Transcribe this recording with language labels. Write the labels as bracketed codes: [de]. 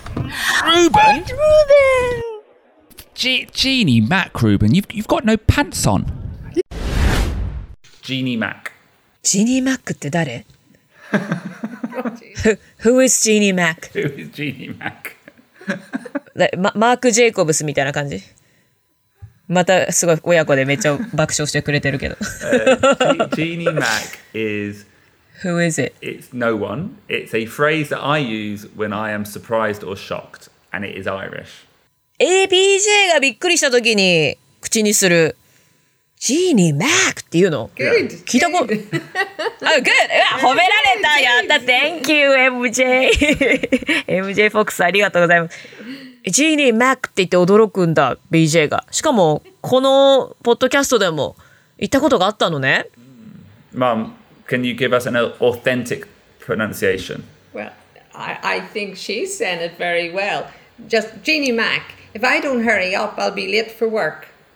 [en] Ruben! Ruben! Genie Mac, Ruben, you've got no pants on. Genie Mac [ja] って誰 [en] Who is Genie Mac? Who is Genie Mac? [ja] マーク・ジェイコブスみたいな感じ。またすごい親子でめっちゃ爆笑してくれてるけど。 [en] Genie Mac is Who is it? It's no one. It's a phrase that I use when I am surprised or shocked, and it is Irish. [ja] ABJ がびっくりした時に口にするジーニー・マックっていうの [en] Good. [ja] 聞いたこと [en] Oh, good! [ja] 褒められたやった [en] Thank you, MJ! [ja] MJ Fox, ありがとうございます。ジーニー・マックって言って驚くんだ、BJ が。しかも、このポッドキャストでも言ったことがあったのね。 [en] Mom, can you give us an authentic pronunciation? Well, I think she said it very well. Just Jeannie Mac, if I don't hurry up, I'll be late for work.